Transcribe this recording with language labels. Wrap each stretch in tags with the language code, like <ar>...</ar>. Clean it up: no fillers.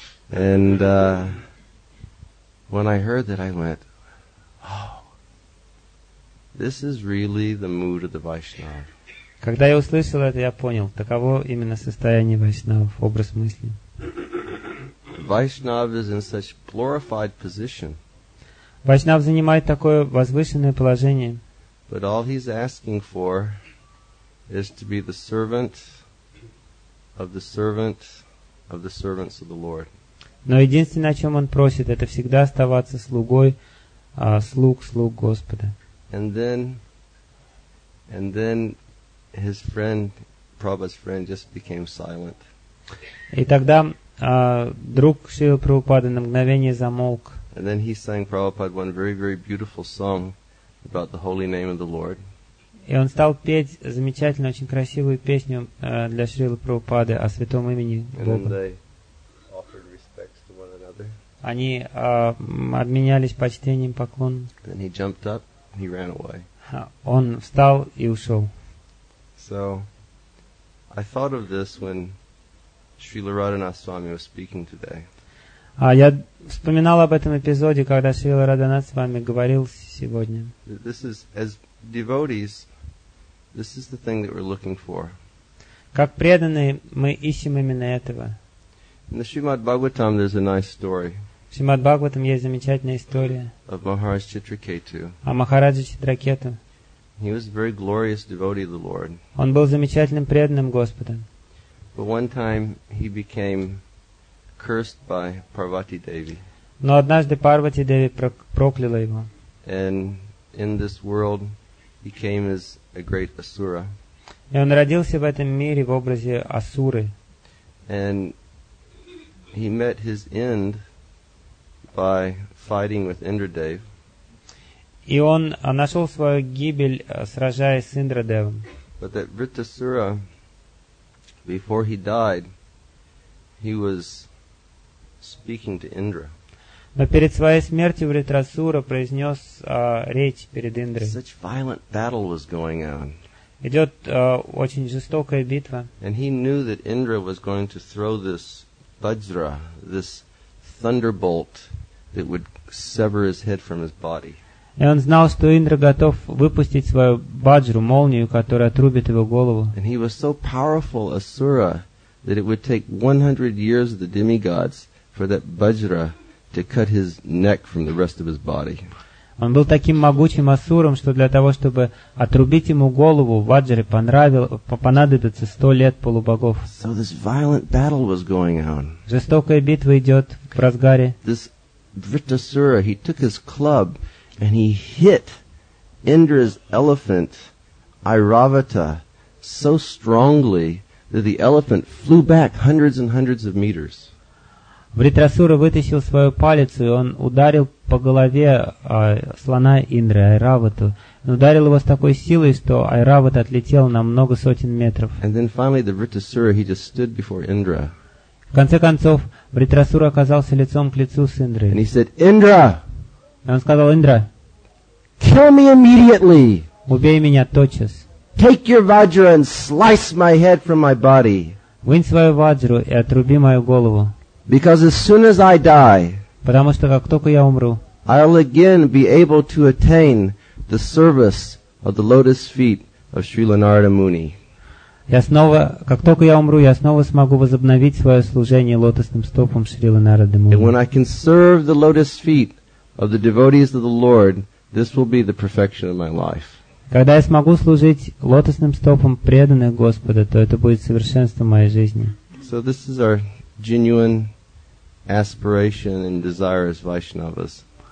<en>And when I heard that, I went, oh, this is really the mood of the Vaishnav.</en> <ru>Когда я услышал это, я понял, таково именно состояние Вайшнав, образ мысли.</ru> <en>Vaishnav is in such glorified position.</en> <ru>Вайшнав занимает такое возвышенное положение.</ru> <en>But all he's asking for is to be the servant of the servant of the servants of the Lord.</en> <ru>Но единственное, о чем он просит, это всегда оставаться слугой, слуг Господа.</ru> <en>And then his friend, Prabhupada's friend, just became silent.</en> <ru>И тогда друг Шрилы Прабхупады на мгновение замолк.</ru> <en>And then he sang Prabhupada one very, very beautiful song about the holy name of the Lord.</en> <ru>И он стал петь замечательную, очень красивую песню для Шрилы Прабхупады о святом имени Бога.</ru> <en>And then they offered respects to one another.</en> <ru>Они обменялись почтением, поклон.</ru> <en>Then he jumped up, he ran away.</en> <ru>Он встал и ушел.</ru> <en>So, I thought of this when Srila Radhanath Swami was speaking today.</en> <ru>Я вспоминал об этом эпизоде, когда Шрила Радханат с вами говорил сегодня.</ru> <en>This is, as devotees, this is the thing that we're looking for.</en> <ru>Как преданные, мы ищем именно этого.</ru> <en>In the Srimad Bhagavatam, there's a nice story.</en> <ru>В Шримад Бхагаватам есть замечательная история.</ru> <en>Of Maharaj Chitraketu.</en> <ru>О Махараджи Читракету.</ru> <en>He was a very glorious devotee of the Lord.</en> <ru>Он был замечательным преданным Господа.</ru> <en>But one time he became cursed by Parvati Devi.</en> <ru>Но однажды Парвати Деви прокляла его.</ru> <en>And in this world he came as a great asura.</en> <ru>И он родился в этом мире в образе асуры.</ru> <en>And he met his end by fighting with Indradev.</en> <ru>И он нашел свою гибель, сражаясь с Индрадевом.</ru> <en>But that Vritasura, before he died, he was speaking to Indra.</en> <ru>Но перед своей смертью Вритрасура произнес речь перед Индрой.</ru> <en>Such violent battle was going on.</en> <ru>Идет очень жестокая битва.</ru> <en>And he knew that Indra was going to throw this Vajra, this thunderbolt that would sever his head from his body.</en> <ru>И он знал, что Индра готов выпустить свою баджру, молнию, которая отрубит его голову.</ru> <en>And he was so powerful, Asura, that it would take 100 years of the demigods for that Vajra to cut his neck from the rest of his body.</en> <ru>Он был таким могучим Асуром, что для того, чтобы отрубить ему голову, Ваджре понадобится 100 лет полубогов.</ru> <en>So this violent battle was going on.</en> <ru>Жестокая битва идет в разгаре.</ru> <en>This Vritasura, he took his club and he hit Indra's elephant, Airavata, so strongly that the elephant flew back hundreds and hundreds of meters.</en> <ru>Вритрасура вытащил свою палец, и он ударил по голове слона Индры, Айравату. Он ударил его с такой силой, что Айрават отлетел на много сотен метров.</ru> <en>And then finally the Vritrasura, he just stood before Indra.</en> <ru>В конце концов, Вритрасура оказался лицом к лицу с Индрой.</ru> <en>And he said, Indra!</en> <ru>И он сказал, Индра,</ru> <en>kill me immediately!</en> <ru>Убей меня тотчас.</ru> <en>Take your Vajra and slice my head from my body.</en> <ru>Вынь свою Ваджру и отруби мою голову.</ru> <en>Because as soon as I die,</en> <ru>потому что как только я умру,</ru> <en>I'll again be able to attain the service of the lotus feet of Srila Narada Muni.</en> <ru>Я снова, как только я умру, я снова смогу возобновить свое служение лотосным стопам Шрилы Нарады Муни.</ru> <en>And when I can serve the lotus feet of the devotees of the Lord, this will be the perfection of my life.</en> <ru>Когда я смогу служить лотосным стопам преданных Господа, то это будет совершенство моей жизни.</ru> <en>So this is our genuine aspiration and desire as Vaishnavas.</en>